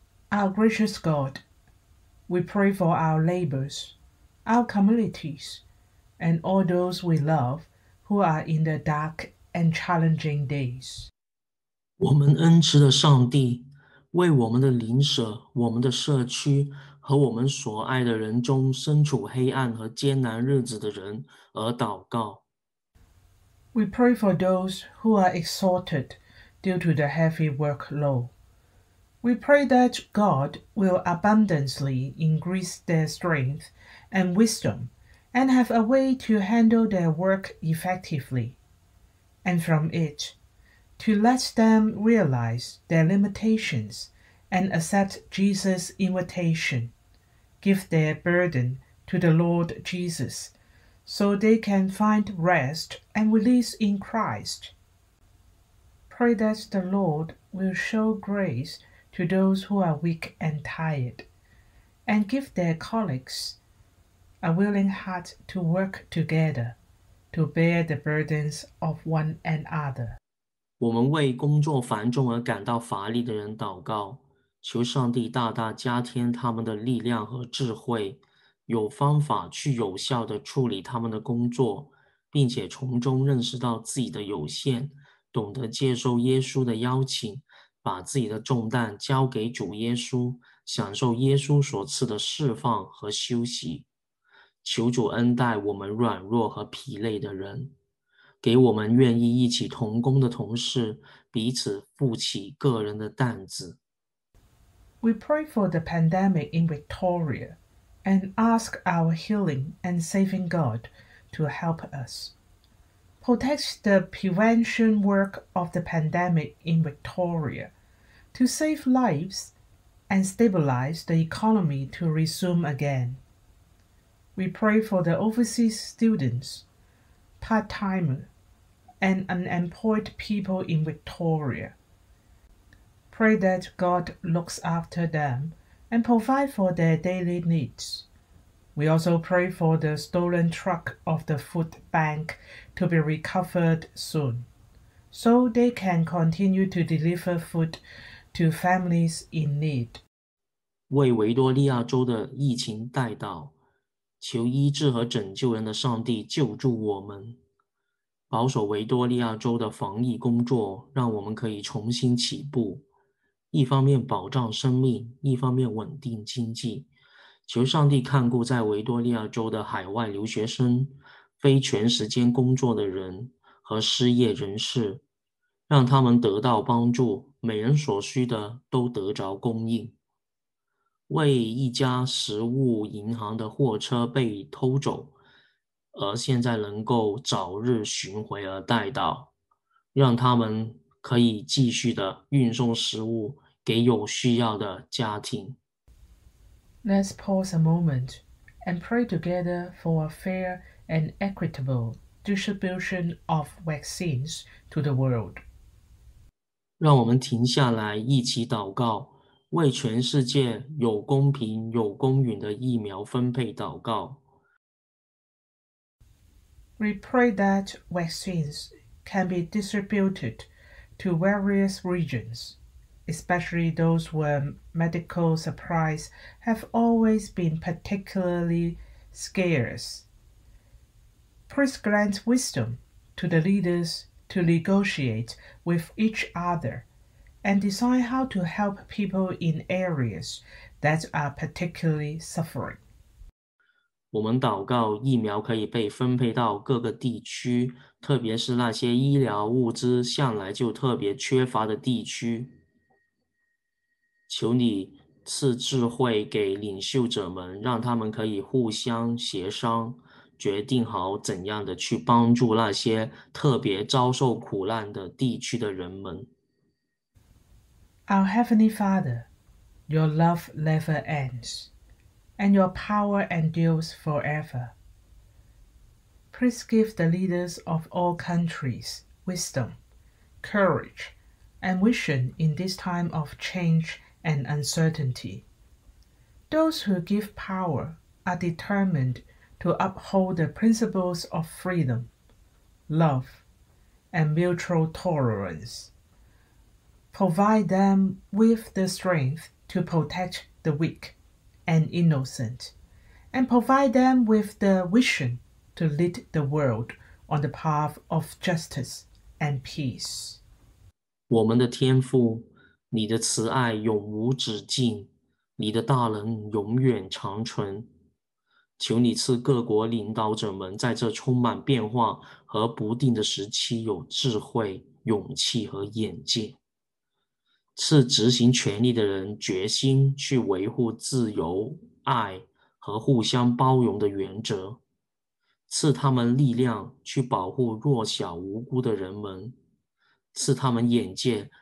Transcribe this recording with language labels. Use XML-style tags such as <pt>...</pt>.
<en>Our gracious God, we pray for our neighbors, our communities, and all those we love who are in the dark and challenging days.</en> <zh>我们恩慈的上帝，为我们的邻舍、我们的社区和我们所爱的人中身处黑暗和艰难日子的人而祷告。</zh> <en>We pray for those who are exhausted due to the heavy workload. We pray that God will abundantly increase their strength and wisdom and have a way to handle their work effectively, and from it, to let them realize their limitations and accept Jesus' invitation, give their burden to the Lord Jesus, so they can find rest and release in Christ. Pray that the Lord will show grace to those who are weak and tired, and give their colleagues a willing heart to work together to bear the burdens of one another.</en> <zh>我们为工作繁重而感到乏力的人祷告，求上帝大大加添他们的力量和智慧，有方法去有效地处理他们的工作，并且从中认识到自己的有限，懂得接受耶稣的邀请，把自己的重担交给主耶稣，享受耶稣所赐的释放和休息。求主恩待我们软弱和疲累的人，给我们愿意一起同工的同事，彼此负起个人的担子。</zh> <en>We pray for the pandemic in Victoria and ask our healing and saving God to help us. Protect the prevention work of the pandemic in Victoria. To save lives and stabilize the economy to resume again. We pray for the overseas students, part-timers, and unemployed people in Victoria. Pray that God looks after them and provide for their daily needs. We also pray for the stolen truck of the food bank to be recovered soon, so they can continue to deliver food. To families in need.</en> <zh>为维多利亚州的疫情代祷，求医治和拯救人的上帝救助我们，保守维多利亚州的防疫工作，让我们可以重新起步，一方面保障生命，一方面稳定经济。求上帝看顾在维多利亚州的海外留学生、非全时间工作的人和失业人士，让他们得到帮助，每人所需的都得着供应。为一家食物银行的货车被偷走，而现在能够早日寻回而带到，让他们可以继续的运送食物给有需要的家庭。</zh> <en>Let's pause a moment and pray together for a fair and equitable distribution of vaccines to the world.</en> <zh>让我们停下来一起祷告，为全世界有公平、有公允的疫苗分配祷告。</zh> <en>We pray that vaccines can be distributed to various regions, especially those where medical supplies have always been particularly scarce. Please grant wisdom to the leaders to negotiate with each other and decide how to help people in areas that are particularly suffering.</en> <zh>我们祷告疫苗可以被分配到各个地区，特别是那些医疗物资向来就特别缺乏的地区。求你赐智慧给领袖者们，让他们可以互相协商，决定好怎样的去帮助那些特别遭受苦难的地区的人们。</zh> <en>Our Heavenly Father, your love never ends, and your power endures forever. Please give the leaders of all countries wisdom, courage, and vision in this time of change and uncertainty. Those who give power are determined to uphold the principles of freedom, love, and mutual tolerance. Provide them with the strength to protect the weak and innocent, and provide them with the vision to lead the world on the path of justice and peace.</en> <zh>我们的天父，你的慈爱永无止境，你的大能永远长存。求你赐各国领导者们在这充满变化和不定的时期有智慧、勇气和眼界，赐执行权力的人决心去维护自由、爱和互相包容的原则，赐他们力量去保护弱小无辜的人们，赐他们眼界。</zh>